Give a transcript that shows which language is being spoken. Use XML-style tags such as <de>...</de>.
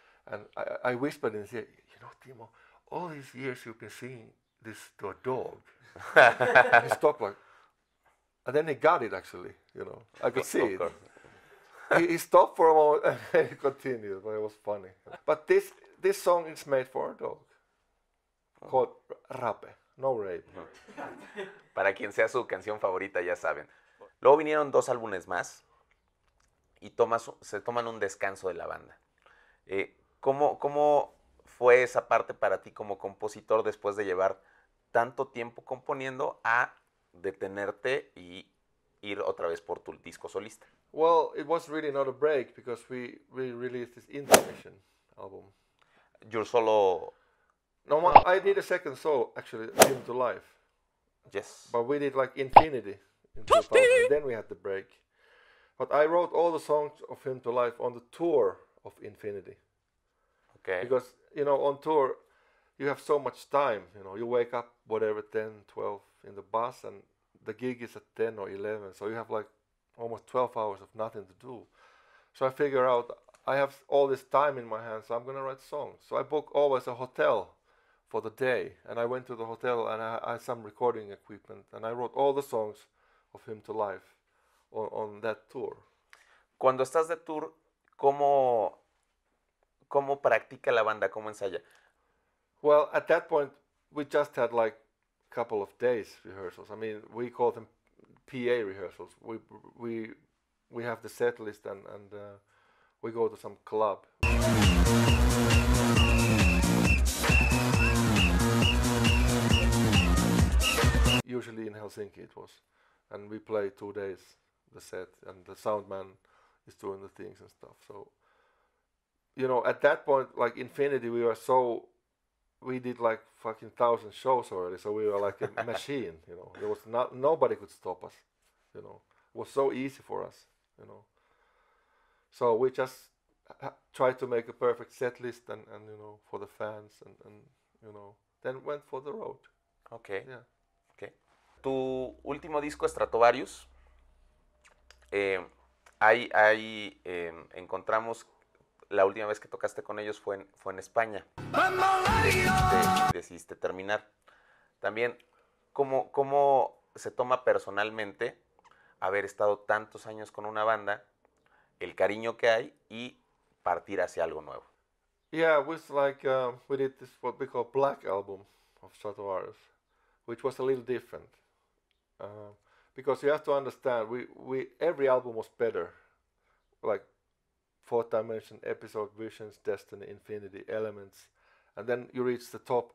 <en>And I whispered in his ear, you know, Timo, all these years you've been singing this to a dog. He stopped like, and then he got it actually, you know. I could see it. He stopped for a moment and he continued, but it was funny. But this song is made for a dog. Oh. Called Rape, no rape.</en> <es>Para quien sea su canción favorita, ya saben. Luego vinieron dos álbumes más y se toman un descanso de la banda. ¿Cómo fue esa parte para ti como compositor después de llevar tanto tiempo componiendo a detenerte y ir otra vez por tu disco solista?</es> <en>Well, it was really not a break because we released this intermission album. Your solo... No, I did a second solo, actually, into life. Yes. But we did like Infinity. Then we had the break. But I wrote all the songs of Him to Life on the tour of Infinity. Okay. Because, you know, on tour, you have so much time. You know, you wake up, whatever, 10, 12 in the bus, and the gig is at 10 or 11. So you have like almost 12 hours of nothing to do. So I figure out I have all this time in my hands, so I'm going to write songs. So I book always a hotel for the day. And I went to the hotel and I had some recording equipment and I wrote all the songs of Him to Life on that tour.</en> <es>cuando estás de tour, ¿cómo practica la banda? ¿Cómo ensaya?</es> <en>Well, at that point, we just had like a couple of days rehearsals. I mean, we call them PA rehearsals. We have the set list and we go to some club. Usually in Helsinki it was. And we play 2 days the set and the sound man is doing the things and stuff. So, you know, at that point, like Infinity, we did like fucking 1,000 shows already. So we were like a machine, you know. There was nobody could stop us, you know. It was so easy for us, you know. So we just tried to make a perfect set list and you know, for the fans and, you know, then went for the road. Okay. Yeah.</en> <es>Tu último disco, Stratovarius, ahí encontramos, la última vez que tocaste con ellos fue en España. Decidiste terminar. También, ¿cómo se toma personalmente haber estado tantos años con una banda, el cariño que hay y partir hacia algo nuevo?</es> <en>Yeah, it was like, we did this what we call Black Album of Stratovarius, which was a little different. Because you have to understand, we every album was better, like Fourth Dimension, Episode, Visions, Destiny, Infinity, Elements, and then you reach the top.</en>